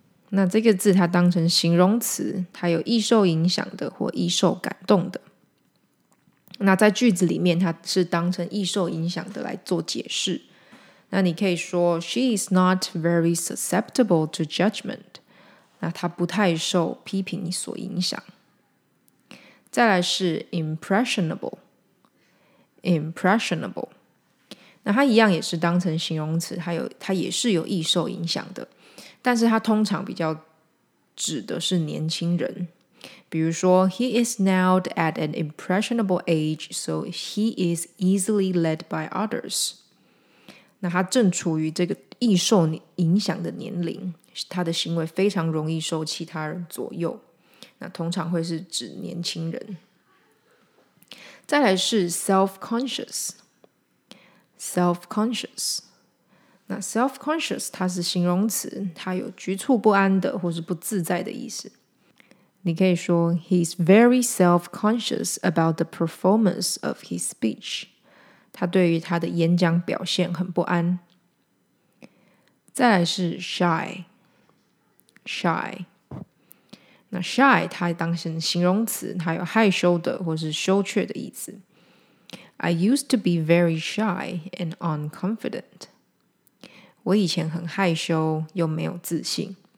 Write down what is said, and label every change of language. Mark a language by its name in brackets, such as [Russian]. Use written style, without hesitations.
[Chinese] 那这个字它当成形容词，它有易受影响的或易受感动的。那在句子里面它是当成易受影响的来做解释。那你可以说 [English] She is not very susceptible to judgment. [Chinese] 那她不太受批评所影响。再来是 impressionable, impressionable, 那它一样也是当成形容词，它也是有易受影响的，但是它通常比较指的是年轻人，比如说 [English] He is now at an impressionable age, so he is easily led by others. [Chinese] 那他正处于这个易受影响的年龄，他的行为非常容易受其他人左右。那通常会是指年轻人。再来是 self-conscious, self-conscious. 那 self-conscious 它是形容词，它有局促不安的或是不自在的意思。你可以说 [English] He's very self-conscious about the performance of his speech. [Chinese] 他对于他的演讲表现很不安。再来是 shy, shy. 那 shy 它当成形容词，它有害羞的或是羞怯的意思。 [English] I used to be very shy and unconfident. [Chinese] 我以前很害羞又没有自信。